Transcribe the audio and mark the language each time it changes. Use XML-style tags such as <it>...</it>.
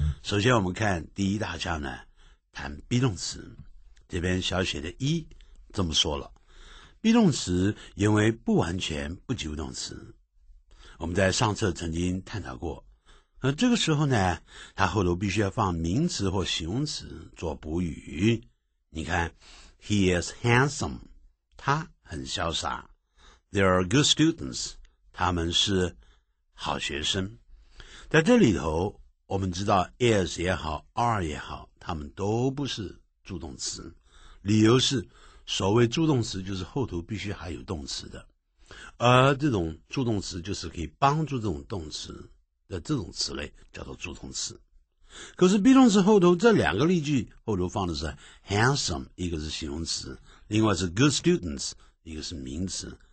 <zh>首先我们看第一大项呢，谈 be 动词，这边小写的 e 这么说了， be 动词因为不完全不及物动词，我们在上册曾经探讨过，而这个时候呢，它后头必须要放名词或形容词做补语。你看 ,</zh> <en>he is handsome,</en> <zh>他很潇洒。</zh> <en>They are good students,</en> <zh>他们是好学生。在这里头我们知道 is 也好 are 也好，他们都不是助动词。理由是所谓助动词就是后头必须还有动词的。而这种助动词就是可以帮助这种动词。的这种词类叫做助动词，可是 be 动词后头这两个例句后头放的是 handsome， 一个是形容词，另外是 good students， 一个是名词。</zh>